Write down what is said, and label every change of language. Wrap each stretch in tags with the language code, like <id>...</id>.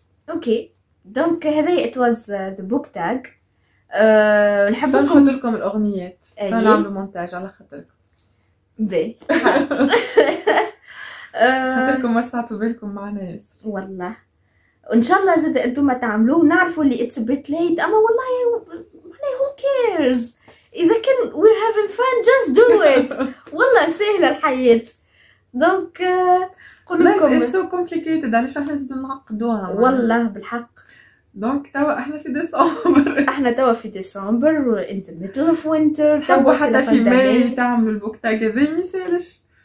<ar>اوكي دونك هذا</ar> <en>it was the book tag</en> <ar>نحب نحط لكم الاغنيات نعملوا مونتاج على خاطركم باهي خاطركم وسعتوا بالكم معنا ياسر والله وان شاء الله زاد انتم تعملوه نعرفوا اللي</ar> <en>it's a bit late</en> <ar>اما والله معناها</ar> <en>who cares</en> <ar>إذا كان</ar> <en>we're having fun just do it</en> <ar>والله سهلة الحياة دونك قول لكم</ar> <en>it's so complicated</en> <ar>علاش احنا نزيدو نعقدوها والله بالحق دونك توا احنا في ديسمبر احنا توا في ديسمبر</ar> <en>in the middle of winter</en> <ar>تحبوا حتى في ماي تعملوا البوك تاعك هذا ما يسالش</ar>